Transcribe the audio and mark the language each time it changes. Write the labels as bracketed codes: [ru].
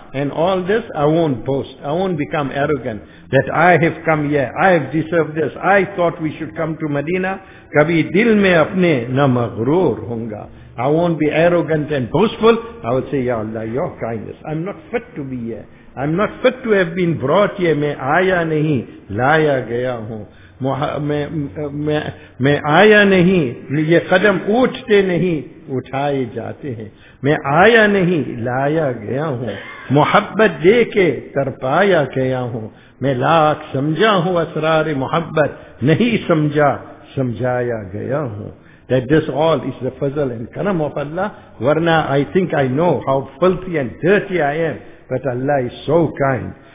[en] And all this, I won't boast. I won't become arrogant that I have come here. I have deserved this. I thought we should come to Medina. [ur] Kabhi dil mein apne na maghroor hunga. [en] I won't be arrogant and boastful. I will say, Ya Allah, your kindness. I'm not fit to be here. I'm not fit to have been brought here. [ur] Main aaya nahi, laya gaya hoon. میں آیا نہیں یہ قدم اٹھتے نہیں اٹھائے جاتے ہیں میں آیا نہیں لایا گیا ہوں محبت دے کے ترپایا گیا ہوں میں لاکھ سمجھا ہوں اسرار محبت نہیں سمجھا سمجھایا گیا ہوں. [en] That this all is the fazl and karam of Allah. Varna I think I know how filthy and dirty I am, but Allah is so kind.